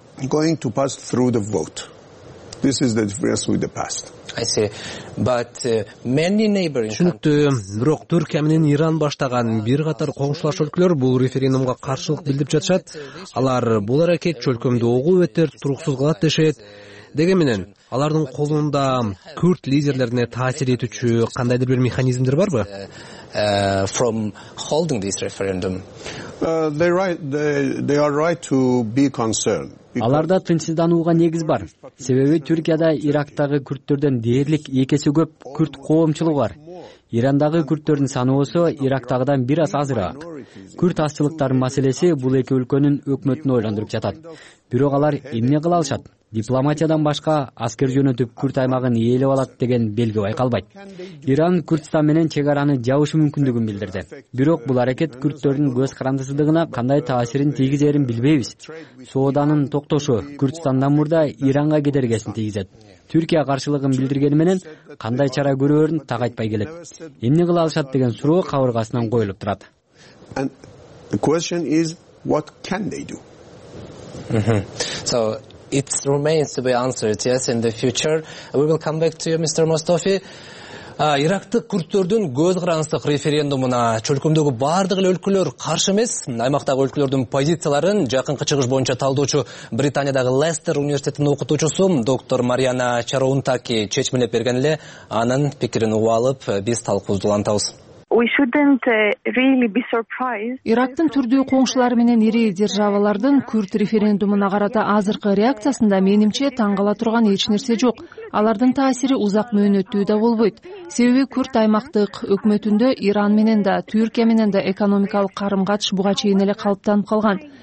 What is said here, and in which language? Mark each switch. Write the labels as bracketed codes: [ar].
[en] Going to pass through the vote. This is the difference with the past. I see. But many neighboring countries. [ky] Бирок Түркия менен Иран баштаган бир катар коңшулаш өлкөлөр бул референдумга каршылык билдирип жатышат. Алар бул аракет чөлкөмдү огуу бетер туруксуз кылат дешет. Деген менен алардын колунда күрд лидерлерине таасир этүүчү кандайдыр бир механизмдер барбы? [en] From holding this referendum. They are right to be concerned. [ky] Аларда тынчсызданууга негиз бар. Себеби Түркияда Ирактагы күрдтөрдөн дээрлик эки эсе көп күрд коомчулугу бар. Ирандагы күрдтөрдүн саны болсо Ирактагыдан бир аз азыраак. Күрд азчылыктарын маселеси бул эки өлкөнүн өкмөтүн ойлондуруп жатат. Бирок алар эмне кыла алышат? Дипломатиядан башка аскер жөнөтүп күрд аймагын ээлеп алат деген белги байкалбайт. Иран Курдстан менен чек араны жабышы мүмкүндүгүн билдирди. Бирок бул аракет күрдтөрдүн көз карандысыздыгына кандай таасирин тийгизэрин билбейбиз. Сооданын токтошу Курдстандан мурда Иранга кедергесин тийгизет. Түркия каршылыгын билдиргени менен кандай чара көрөөрүн так айтпай келет. Эмне кыла алышат деген суроо кабыргасынан коюлуп турат. [en] The question is what can they do? So it remains to be answered, yes, in the future. We will come back to you, Mr. Mustafi. [ky] Ирактык күрдтөрдүн көз карандысык референдумуна чөлкөмдөгү баардык эле өлкөлөр каршы эмес. Аймактагы өлкөлөрдүн позицияларын жакынкы чыгыш боюнча талдоочу Британиядагы Лестер университетинин окутуучусу доктор Марьяна Чароунтаки чечмелеп берген эле, анын пикирин угуп алып биз талкуубузду улантабыз. [en] We shouldn't really be surprised. [ky] Ирактын түрдүү коңшулары менен ири державалардын күрд референдумуна карата азыркы реакциясында менимче таң кала турган эч нерсе жок. Алардын таасири узак мөөнөттүү да болбойт. Себеби күрд аймактык өкмөтүндө Иран менен да Түркия менен да экономикалык карым-катыш буга чейин эле калыптанып калган.